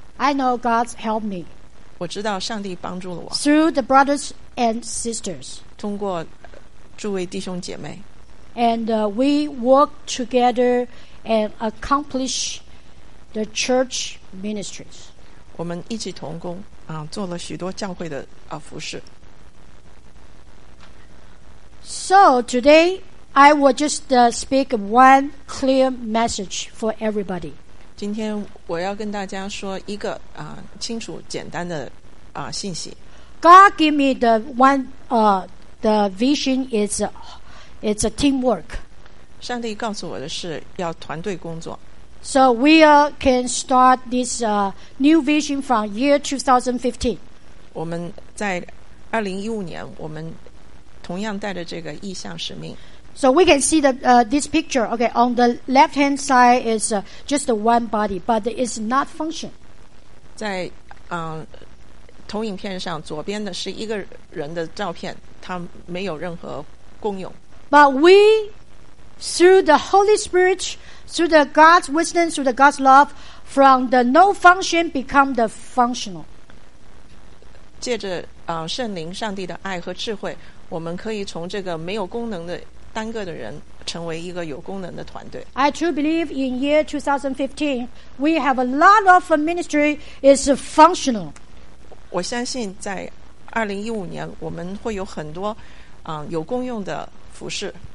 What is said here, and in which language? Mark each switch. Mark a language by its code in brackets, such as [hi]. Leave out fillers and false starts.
[en] I know God's helped me. [zh] 我知道上帝帮助了我。 [en] Through the brothers and sisters. [zh] 通过诸位弟兄姐妹。 [en] And we work together and accomplish the church ministries. [zh] 我们一起同工啊，做了许多教会的啊服事。 [en] So today I will just speak one clear message for everybody. [zh] 今天我要跟大家说一个啊清楚简单的啊信息。 [en] God gave me the one the vision is a teamwork. [zh] 上帝告诉我的是要团队工作。 [en] So we can start this new vision from year 2015. [zh] 我们在2015年我们同样带着这个意向使命。 [en] So we can see this picture. Okay, on the left-hand side is just one body, but it's not function. [zh] 在投影片上左边的是一个人的照片，它没有任何功用。 [en] But we, through the Holy Spirit, through the God's wisdom, through the God's love, from the no function become the functional. [zh] 借着圣灵上帝的爱和智慧，我们可以从这个没有功能的单个的人成为一个有功能的团队。 [en] I truly believe in year 2015, we have a lot of ministry is functional. [zh] 我相信在2015年我们会有很多有功用的服事。